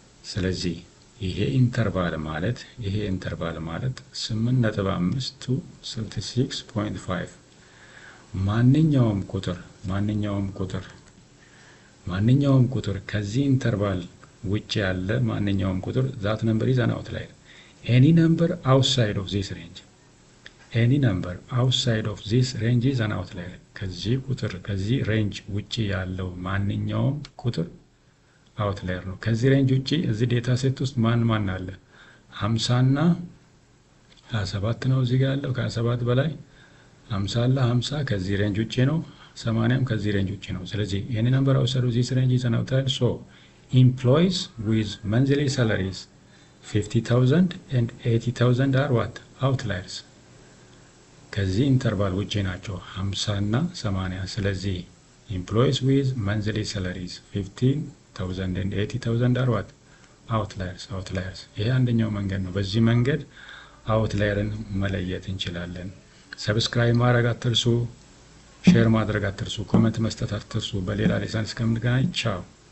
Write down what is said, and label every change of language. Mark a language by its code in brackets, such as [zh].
[am] ስለዚህ ይሄ ኢንተርቫል ማለት ይሄ ኢንተርቫል ማለት 8.5 to 36.5 ማንኛውም ቁጥር ከዚህ ኢንተርቫል ውጪ ያለ ማንኛውም ቁጥር [en] that number is an outlier. Any number outside of this range. Any number outside of this range is an outlier. [am] ከዚህ ቁጥር ከዚህ range ውጪ ያለው ማንኛውም ቁጥር outlier ነው። ከዚህ range ውጪ እዚህ ዴታ ሴት ውስጥ ማን ማን አለ? 50 እና 27 ነው እዚህ ጋር ያለው ከ7 በላይ 50 አለ 50 ከዚህ range ውጪ ነው 80ም ከዚህ range ውጪ ነው። ስለዚህ [en] any number outside of this range is an outlier. So employees with monthly salaries 50,000 and 80,000 are what? Outliers. [am] ከዚህ ኢንተርቫል ውጪ ናቸው 50 እና 80 ስለዚህ [en] employees with monthly salaries 15,000 and 80,000 are what? Outliers. [am] ይሄ አንደኛው መንገድ ነው። በዚህ መንገድ አውትላየርን መለየት እንችላለን። ሰብስክራይብ ማድረግ አትርሱ፣ ሼር ማድረግ አትርሱ፣ ኮሜንት መስጠት አትርሱ። በሌላ ሌሰን እስከምንገናኝ ቻው።